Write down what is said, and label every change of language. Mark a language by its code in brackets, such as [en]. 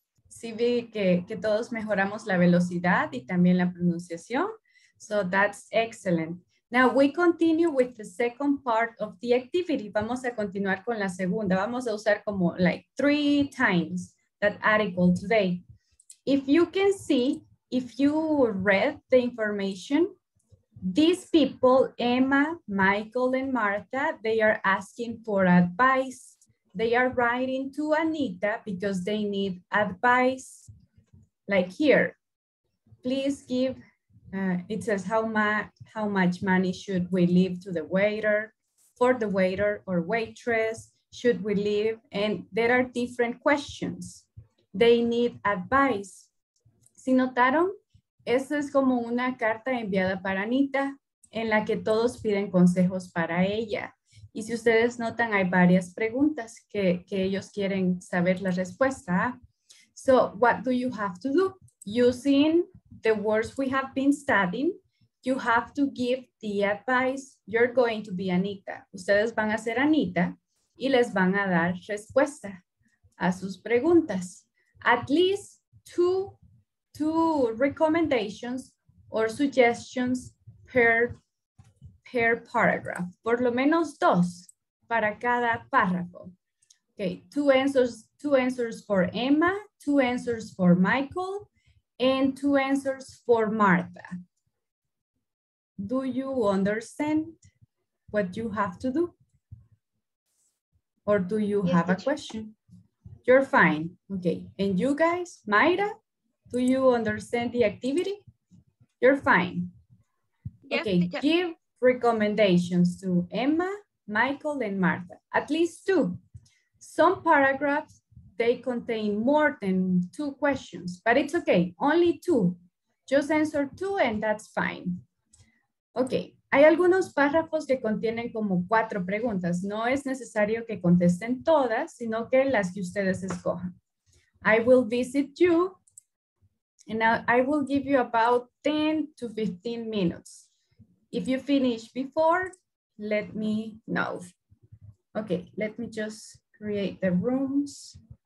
[es] Sí, vi que todos mejoramos la velocidad y también la pronunciación. [en] So that's excellent. Now we continue with the second part of the activity. [es] Vamos a continuar con la segunda. Vamos a usar como [en] like three times that article today. If you can see, if you read the information, These people, Emma, Michael, and Martha, they are asking for advice. They are writing to Anita because they need advice. Like here, please give, it says how much money should we leave to the waiter, for the waiter or waitress, should we leave? And there are different questions. They need advice. [es] ¿Sí notaron? Esa es como una carta enviada para Anita en la que todos piden consejos para ella. Y si ustedes notan, hay varias preguntas que ellos quieren saber la respuesta. [en] So what do you have to do? Using the words we have been studying, you have to give the advice. You're going to be Anita. [es] Ustedes van a ser Anita y les van a dar respuesta a sus preguntas. [en] At least two recommendations or suggestions per paragraph. [es] Por lo menos dos para cada párrafo. [en] Okay, two answers for Emma, two answers for Michael, and two answers for Martha. Do you understand what you have to do? Or do you have a question? You're fine. Okay. And you guys, Mayra, do you understand the activity? You're fine. Yes, okay. Teacher. Give recommendations to Emma, Michael, and Martha. At least two. Some paragraphs, they contain more than two questions, but it's okay. Only two. Just answer two and that's fine. Okay. [es] Hay algunos párrafos que contienen como cuatro preguntas. No es necesario que contesten todas, sino que las que ustedes escojan. [en] I will visit you and I will give you about 10 to 15 minutes. If you finish before, let me know. Okay, let me just create the rooms.